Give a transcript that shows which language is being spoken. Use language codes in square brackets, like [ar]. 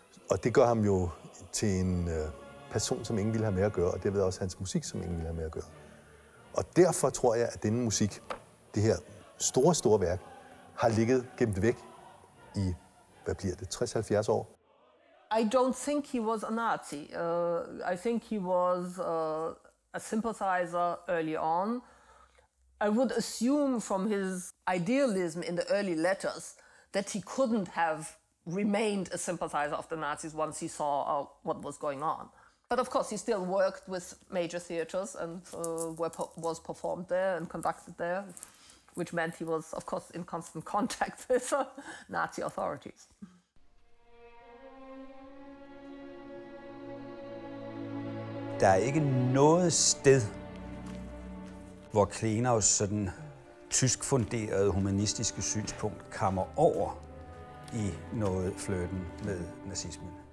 [da] Og det gør ham jo til en person, som ingen ville have med at gøre, og derved også hans musik, som ingen ville have med at gøre. Og derfor tror jeg, at denne musik, det her store, store værk, har ligget gemt væk i, hvad bliver det, 60-70 år. [en] I don't think he was a Nazi. I think he was a sympathizer early on. I would assume from his idealism in the early letters that he couldn't have remained a sympathizer of the Nazis once he saw what was going on. But of course, he still worked with major theaters and was performed there and conducted there, which meant he was, of course, in constant contact with Nazi authorities. [da] Der er ikke noget sted, hvor Klenaus sådan tyskfunderede humanistiske synspunkt kommer over i noget flirten med nazismen.